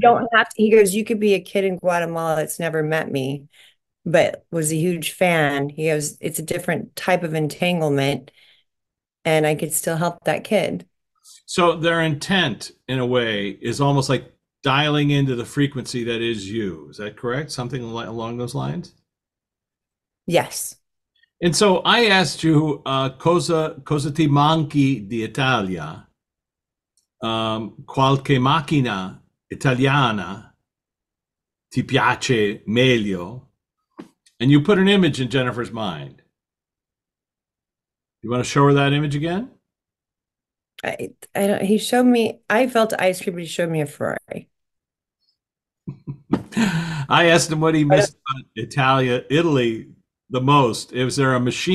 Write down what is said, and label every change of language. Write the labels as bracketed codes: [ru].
[en] don't have to, he goes, you could be a kid in Guatemala that's never met me, but was a huge fan. He goes, it's a different type of entanglement, and I could still help that kid. so their intent, in a way, is almost like dialing into the frequency that is you. Is that correct? Something along those lines? Yes. And so I asked you, [it] cosa ti manchi di Italia? Qualche macchina italiana ti piace meglio? [en] And you put an image in Jennifer's mind. You want to show her that image again? I don't, he showed me, I felt ice cream, but he showed me a Ferrari. I asked him what he missed about Italia, Italy. The most is there a machine